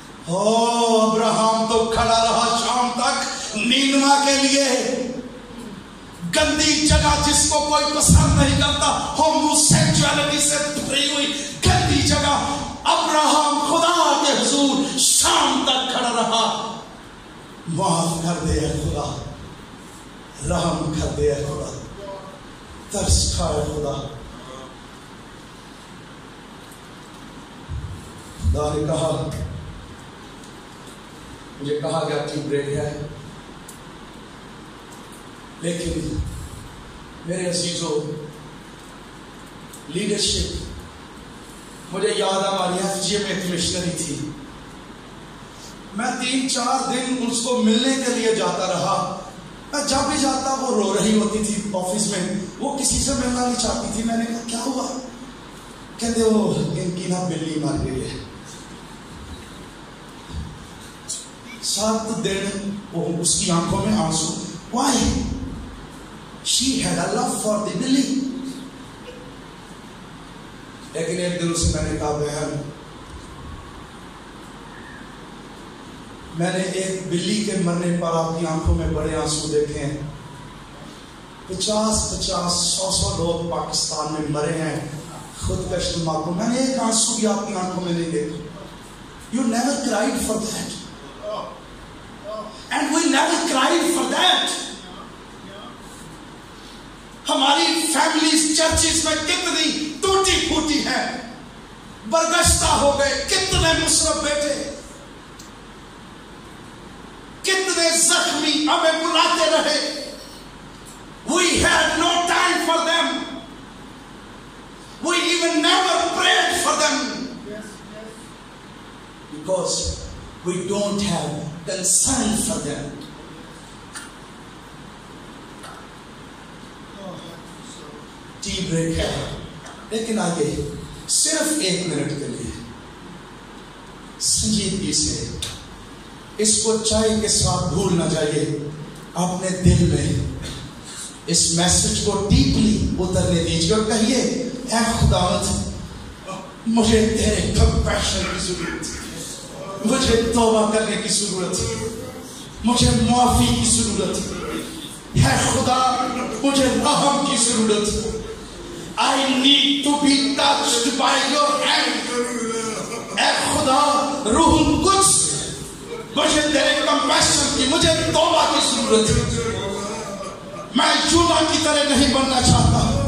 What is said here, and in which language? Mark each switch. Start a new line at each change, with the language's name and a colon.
Urdu: Abraham تو کھڑا رہا شام تک نیندوا کے لیے، گندی جگہ جس کو کوئی پسند نہیں کرتا، ہومو سینچوالٹی سے بھری ہوئی گندی جگہ، ابراہم خدا کے حضور شام تک کھڑا رہا. معاف کر دے اے خدا، رحم کر دے اے خدا، ترس کھا اے خدا. خدا نے کہا، مجھے کہا گیا ٹیم بریک ہے، لیکن میرے عزیزوں لیڈرشپ، مجھے یاد ہے ہماری ایف جی میں ایک مشنری تھی، میں 3-4 دن اس کو ملنے کے لیے جاتا رہا. میں جب بھی جاتا وہ رو رہی ہوتی تھی آفس میں، وہ کسی سے ملنا نہیں چاہتی تھی. میں نے کہا کیا ہوا؟ کہتے وہ ان کی نا بلی مر گئی ہے. 7 دن وہ اس کی آنکھوں میں آنسو.
English: Why? She had a love for the Billy.
Urdu: لیکن ایک دن اس میں نے کہا بہن، میں نے ایک بلی کے مرنے پر آپ کی آنکھوں میں بڑے آنسو دیکھے ہیں. 50-50, 100-100 لوگ پاکستان میں مرے ہیں خودکش دھماکوں، میں نے ایک آنسو بھی آپ کی آنکھوں میں نہیں دیکھا.
English: You never cried for that. And we never cried for that.
Urdu: ہماری فیملیز چرچز میں کتنی ٹوٹی پھوٹی ہیں، برگشتہ ہو گئے، کتنے مصرف بیٹھے، کتنے زخمی ہمیں بلاتے رہے.
English: We had no time for them. We even never prayed for them. Because we don't have concern for them.
Urdu: Tea break ہے، لیکن آگے صرف 1 منٹ کے لیے سنجیدگی سے اس کو چائے کے ساتھ بھول نہ جائیے، اپنے دل میں اس میسج کو ڈیپلی اترنے دیجیے اور کہیے اے خدا مجھے تیرے کمپیشن کی ضرورت، مجھے توبہ کرنے کی ضرورت، مجھے معافی کی ضرورت، اے خدا مجھے رحم کی ضرورت.
English: I need to be touched by your hand.
Urdu: اے خدا روح القدس مجھے تیرے کمپیشن کی، مجھے توبہ کی ضرورت. میں یونا کی طرح نہیں بننا چاہتا.